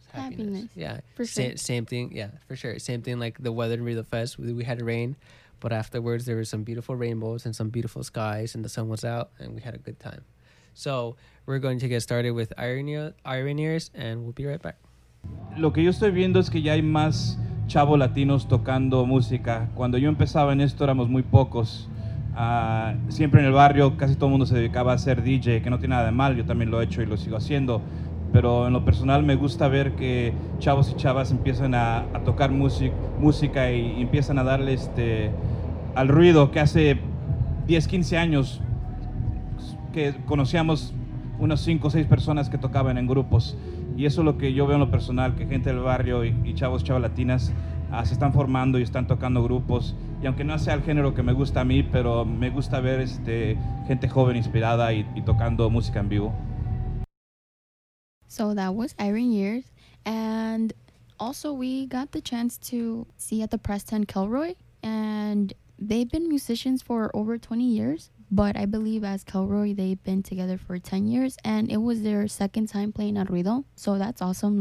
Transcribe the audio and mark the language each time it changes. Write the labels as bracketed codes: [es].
[en] happiness. Yeah, for sure. Same thing. Yeah, for sure. Same thing like the weather in Rio Fest. We had rain, but afterwards there were some beautiful rainbows and some beautiful skies, and the sun was out, and we had a good time. So we're going to get started with Ironeers, and we'll be right back. [es] Lo que yo estoy viendo es que ya hay más chavos latinos tocando música. Cuando yo empezaba en esto éramos muy pocos. Siempre en el barrio casi todo el mundo se dedicaba a ser DJ, que no tiene nada de mal, yo también lo he hecho y lo sigo haciendo. Pero en lo personal me gusta ver que chavos y chavas empiezan a tocar música y empiezan a darle este al ruido que hace 10, 15 años que conocíamos unas 5 o 6 personas que tocaban en grupos. Y eso es lo que yo veo en lo personal, que gente del barrio y chavos, chavas latinas se están formando y están tocando grupos. Y aunque no sea el género que me gusta a mí, pero me gusta ver este, gente joven inspirada y tocando música en vivo. [en] So that was Ironeers. And also we got the chance to see at the Press 10 Kilroy. And they've been musicians for over 20 years. But I believe as Kilroy, they've been together for 10 years. And it was their second time playing at Ruido. So that's awesome.